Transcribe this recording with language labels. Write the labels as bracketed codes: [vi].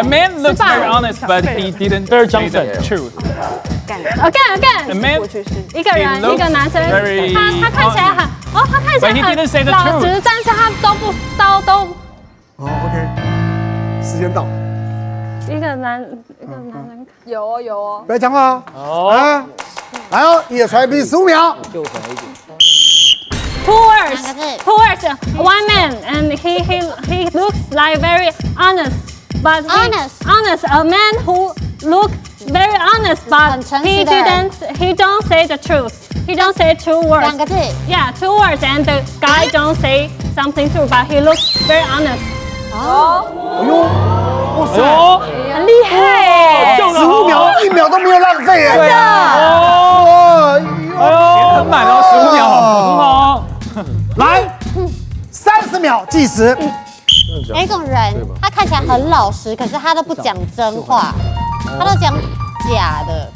[en] A man looks very honest， but he didn't say the truth。 Again， A man， [zh] 一个人，一个男生，他看起来很，他看起来很老实，但是他都。哦 ，OK。时间到，一个男人有哦，不要讲话哦，来，来哦，一传一，十五秒，就传一点。 [en] Towards one man and he looks like very honest, but honest a man who look very honest, but he don't say the true words. [zh] 两个字 [en] ，Yeah, two words and the guy don't say something true, but he looks very honest. [zh] 哦，哎呦，哇塞，很厉害，十五秒，一秒都没有浪费，真的，哎呦，很满哦，十五秒，很好，来，三十秒计时。哪种人？他看起来很老实，可是他都不讲真话，他都讲假的。